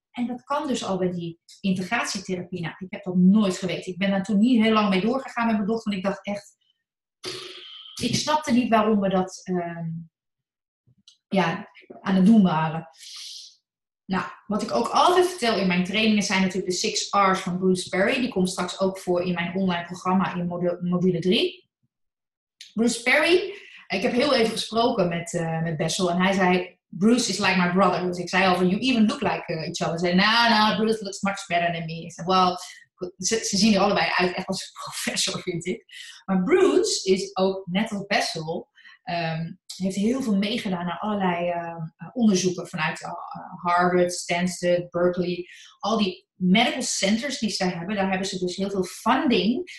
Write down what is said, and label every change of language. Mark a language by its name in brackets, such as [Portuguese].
[Dutch] En dat kan dus al bij die integratietherapie. Nou, ik heb dat nooit geweten. Ik ben daar toen niet heel lang mee doorgegaan met mijn dochter. Want ik dacht echt, ik snapte niet waarom we dat aan het doen waren. Nou, wat ik ook altijd vertel in mijn trainingen zijn natuurlijk de 6 R's van Bruce Perry. Die komt straks ook voor in mijn online programma in module 3. Bruce Perry, ik heb heel even gesproken met Bessel en hij zei, [English] Bruce is like my brother. [Dutch] Dus ik zei al van, [English] you even look like each other. [Dutch] Ze zei, nou, [English] Bruce looks much better than me. [Dutch] Ik zei, well, ze zien er allebei uit echt als een professor, vind ik. Maar Bruce is ook, net als Bessel, heeft heel veel meegedaan naar allerlei onderzoeken vanuit Harvard, Stanford, Berkeley. Al die medical centers die zij hebben, daar hebben ze dus heel veel funding.